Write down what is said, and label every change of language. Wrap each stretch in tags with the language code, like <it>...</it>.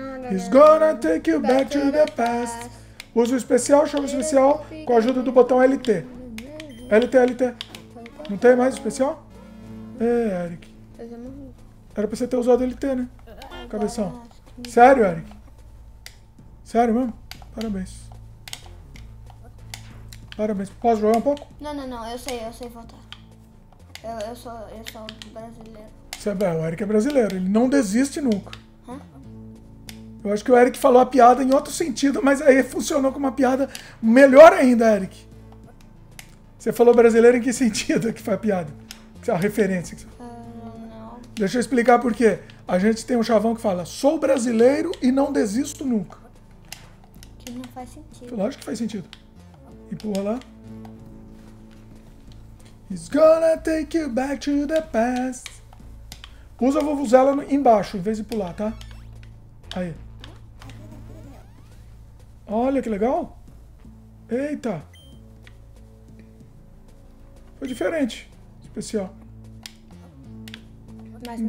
<en>He's gonna take you back to the past.</en> <pt>Usa o especial, chama o especial com a ajuda do botão LT. LT, LT. Não tem mais especial? É, Eric. Era pra você ter usado LT, né? Cabeção. Sério, Eric? Sério mesmo? Parabéns. Parabéns. Posso jogar um pouco? Não. Eu sei voltar. Eu sou brasileiro. O Eric é brasileiro, ele não desiste nunca. Eu acho que o Eric falou a piada em outro sentido, mas aí funcionou como uma piada melhor ainda, Eric. Você falou brasileiro em que sentido que foi a piada? A referência? Não. Deixa eu explicar por quê. A gente tem um chavão que fala, sou brasileiro e não desisto nunca. Que não faz sentido. Lógico que faz sentido. Empurra lá.</pt> <en>He's gonna take you back to the past.</en> <pt>Usa a vuvuzela embaixo, em vez de pular, tá? Aí. Olha que legal. Eita. Foi diferente. Especial. Mas não</pt>